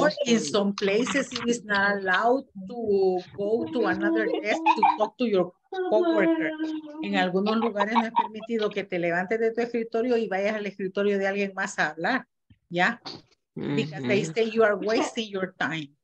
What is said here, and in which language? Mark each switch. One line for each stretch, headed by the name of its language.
English: Or in some places it is not allowed to go to another desk to talk to your coworker.
Spanish: En algunos lugares no es permitido que te levantes de tu escritorio y vayas al escritorio de alguien más a hablar. ¿Ya?
English: Because they say you are wasting your time.